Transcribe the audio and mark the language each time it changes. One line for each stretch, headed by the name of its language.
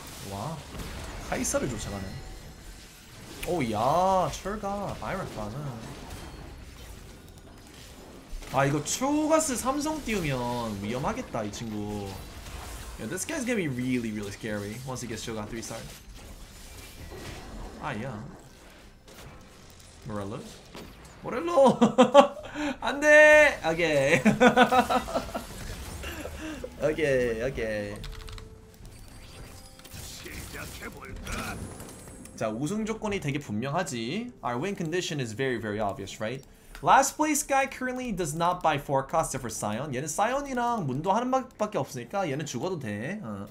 Korean: 와 카이사를 쫓아가네. 오야 철가 바이러스. 아 이거 초가스 삼성 띄우면 위험하겠다 이 친구.
English: Yeah, this guy's gonna be really really scary once he gets Cho'Gath 3 star.
Korean: 아야 모렐로 모렐로 안돼. 오케이 오케이 오케이. 자 우승 조건이 되게 분명하지.
English: Our win condition is very very obvious, right? Last place guy currently does not buy forecast for Sion.
Korean: 얘는 Sion이랑 문도 하는 밖에 없으니까 얘는 죽어도 돼.